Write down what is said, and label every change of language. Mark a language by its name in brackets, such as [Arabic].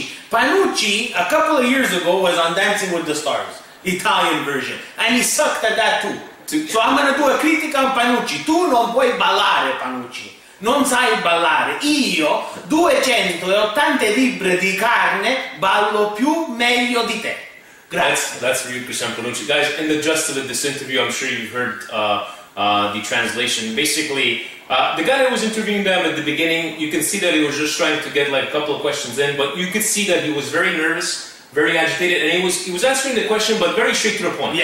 [English] Panucci, a couple of years ago, was on Dancing with the Stars, Italian version, and he sucked at that too. So I'm gonna do a critica on Panucci. [Italian] Tu non puoi ballare, Panucci. Non sai ballare. Io, 280 libbre di carne, ballo più meglio di te. Grazie. [English] That's for you, Christian Panucci. Guys, in the gist of this interview, I'm sure you've heard the translation. Basically, the guy that was interviewing them at the beginning, you can see that he was just trying to get like a couple of questions in, but you could see that he was very nervous, very agitated, and he was asking the question, but very straight to the point.